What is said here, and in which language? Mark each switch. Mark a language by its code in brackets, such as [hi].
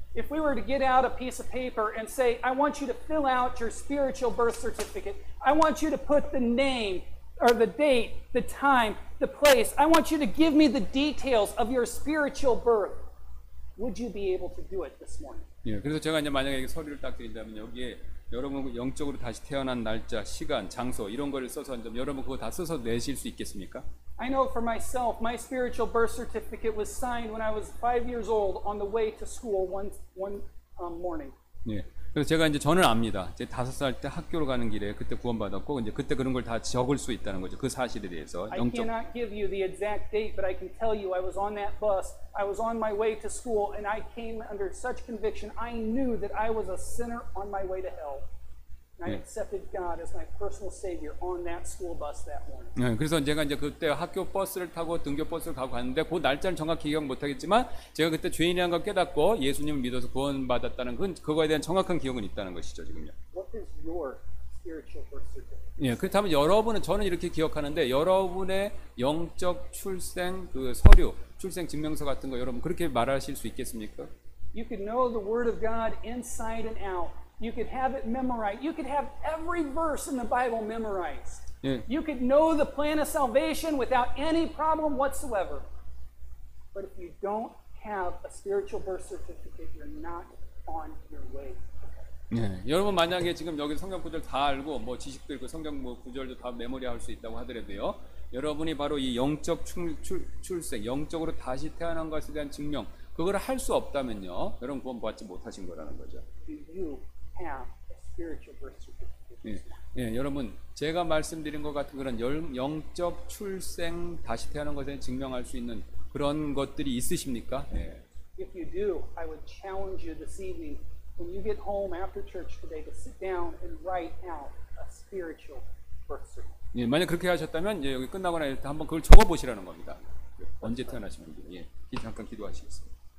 [en] If we were to get out a piece of paper and say, I want you to fill out your spiritual birth certificate. I want you to put the name, or the date, the time, the place. I want you to give me the details of your spiritual birth. Would you be able to do it this morning? [ko] 예, 그래서 제가 이제 만약에 서류를 딱 드린다면 여기에 여러분 영적으로 다시 태어난 날짜, 시간, 장소 이런 거를 써서 이제 여러분 그거 다 써서 내실 수 있겠습니까? [en] I know for myself, my spiritual birth certificate was signed when I was 5 years old on the way to school one morning. [ko] 예. 그래서 제가 이제 저는 압니다. 제 5살 때 학교로 가는 길에 그때 구원받았고 이제 그때 그런 걸 다 적을 수 있다는 거죠. 그 사실에 대해서 영적. [en] I cannot give you the exact date, but I can tell you I was on that bus. I was on my way to school and I came under such conviction. I knew that I was a sinner on my way to hell. I accepted God as my personal savior on that school bus that morning. [ko] 예, 그래서 제가 이제 그때 학교 버스를 타고 등교 버스를 가고 갔는데 그 날짜는 정확히 기억 못 하겠지만 제가 그때 죄인이라는 걸 깨닫고 예수님을 믿어서 구원받았다는 건 그거에 대한 정확한 기억은 있다는 것이죠, 지금요. [en] What is your spiritual birth certificate? [ko] 예, 그렇다면 여러분은 저는 이렇게 기억하는데 여러분의 영적 출생 그 서류, 출생 증명서 같은 거 여러분 그렇게 말하실 수 있겠습니까? [en] You can know the word of God inside and out. You could have it memorized. You could have every verse in the Bible memorized. [ko] 예. [en] You could know the plan of salvation without any problem whatsoever. But if you don't have a spiritual birth certificate, you're not on your way. [ko] 예. 여러분 만약에 지금 여기 성경 구절 다 알고 뭐 지식도 있고 성경 뭐 구절도 다 메모리할 수 있다고 하더라도요. 여러분이 바로 이 영적 출생, 영적으로 다시 태어난 것에 대한 증명, 그걸 할 수 없다면요. 여러분 구원 받지 못하신 거라는 거죠. [en] Have a [ko] 예, 예, 여러분 제가 말씀드린 것 같은 그런 영적 출생 다시 태어난 것에 증명할 수 있는 그런 것들이 있으십니까? 예. [en] If you do, I would challenge you this evening when you get home after church today to sit down and write out a spiritual birth certificate. [ko] 예, 만약 그렇게 하셨다면 예, 여기 끝나거나 이렇게 한번 그걸 적어 보시라는 겁니다. 예, 언제 태어나시는지. 예, 잠깐 기도하시겠습니다.